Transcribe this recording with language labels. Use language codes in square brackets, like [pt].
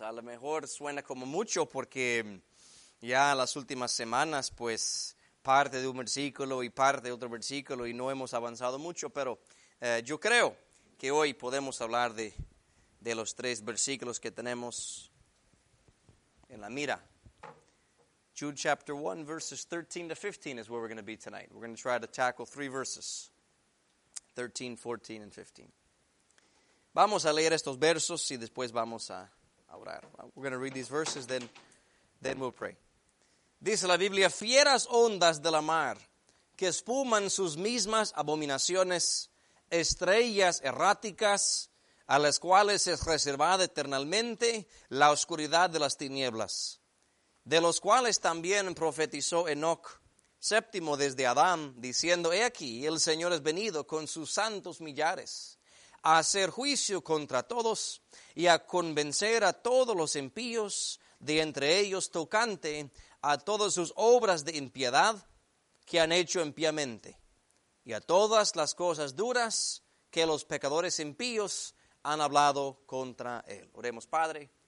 [es] A lo mejor suena como mucho porque ya las últimas semanas, pues, parte de un versículo y parte de otro versículo y no hemos avanzado mucho, pero yo creo que hoy podemos hablar de los tres versículos que tenemos en la mira. [en] Jude chapter 1, verses 13 to 15 is where we're going to be tonight. We're going to try to tackle three verses, 13, 14, and 15. [es] Vamos a leer estos versos y después vamos a orar. [en] We're going to read these verses, then we'll pray. [es] Dice la Biblia, fieras ondas de la mar, que espuman sus mismas abominaciones, estrellas erráticas, a las cuales es reservada eternamente la oscuridad de las tinieblas, de los cuales también profetizó Enoch, séptimo desde Adán, diciendo, he aquí, el Señor es venido con sus santos millares a hacer juicio contra todos y a convencer a todos los impíos de entre ellos tocante a todas sus obras de impiedad que han hecho impíamente y a todas las cosas duras que los pecadores impíos han hablado contra él. Oremos, Padre.